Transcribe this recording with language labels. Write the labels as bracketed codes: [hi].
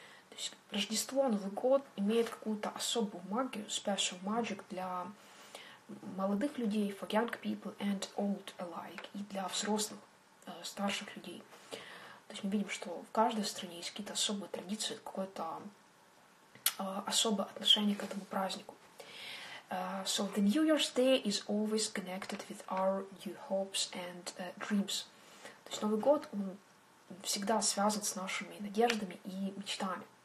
[ru] То есть Рождество, Новый год имеет какую-то особую магию, [en] special magic [ru] для молодых людей, [en] for young people and old alike, [ru] и для взрослых, старших людей. То есть мы видим, что в каждой стране есть какие-то особые традиции, какое-то особое отношение к этому празднику. [en] So the New Year's Day is always connected with our new hopes and dreams. [ru] То есть Новый год, он всегда связан с нашими надеждами и мечтами.